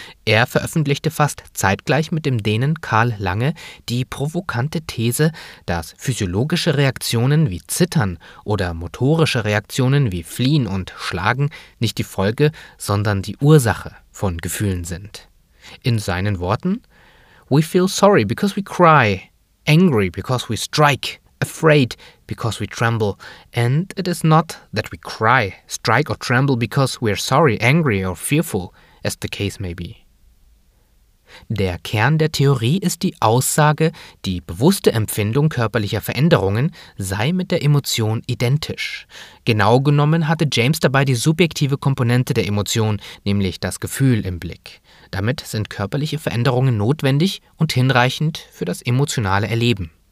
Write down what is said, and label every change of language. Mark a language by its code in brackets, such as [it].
[de] Er veröffentlichte fast zeitgleich mit dem Dänen Carl Lange die provokante These, dass physiologische Reaktionen wie Zittern oder motorische Reaktionen wie Fliehen und Schlagen nicht die Folge, sondern die Ursache von Gefühlen sind. In seinen Worten: [en] We feel sorry because we cry, angry because we strike, afraid because we tremble, and it is not that we cry, strike or tremble because we are sorry, angry or fearful, as the case may be. [de] Der Kern der Theorie ist die Aussage, die bewusste Empfindung körperlicher Veränderungen sei mit der Emotion identisch. Genau genommen hatte James dabei die subjektive Komponente der Emotion, nämlich das Gefühl, im Blick. Damit sind körperliche Veränderungen notwendig und hinreichend für das emotionale Erleben.